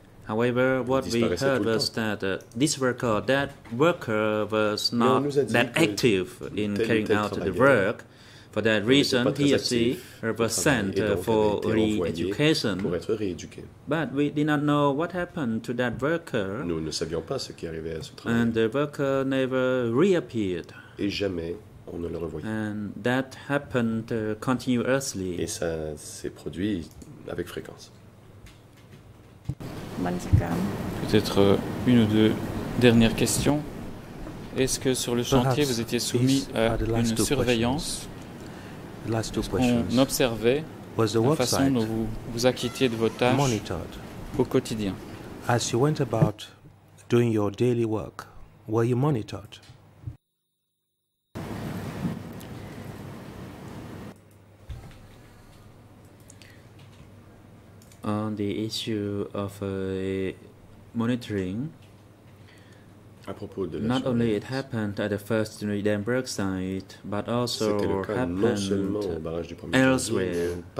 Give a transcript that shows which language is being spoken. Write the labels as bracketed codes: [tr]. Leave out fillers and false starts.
[en] However, what we heard was that this worker was not active in carrying out the work. For that reason, he or she was sent for re-education. But we did not know what happened to that worker. [fr] Nous ne savions pas ce qui arrivait à ce travail. [en] And the worker never reappeared. [fr] Et jamais on ne le revoyait. [en] And that happened continuously. [fr] Et ça s'est produit avec fréquence. Peut-être une ou deux dernières questions. Est-ce que sur le chantier, vous étiez soumis à une surveillance? On observait la façon dont vous vous acquittiez de vos tâches au quotidien. [en] As you went about doing your daily work, were you monitored? On the issue of monitoring, not only it happened at the first Dunedin work site, but also happened elsewhere.